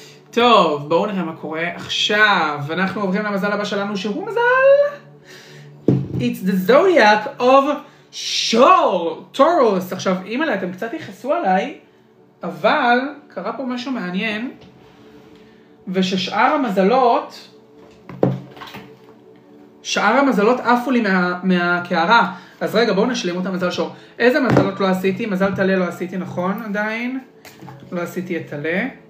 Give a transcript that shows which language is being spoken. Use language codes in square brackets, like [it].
[he] טוב, בואו נראה מה קורה עכשיו. אנחנו עוברים למזל הבא שלנו, שהוא מזל. [en] It's the zodiac of Shore, Taurus. [he] עכשיו, אימאלה, אתם קצת יחסו עליי, אבל קרה פה משהו מעניין, וששאר המזלות, שאר המזלות עפו לי מהקערה. אז רגע, בואו נשלים אותה מזל שור. איזה מזלות לא עשיתי? מזל תלה לא עשיתי, נכון, עדיין. לא עשיתי את תלה.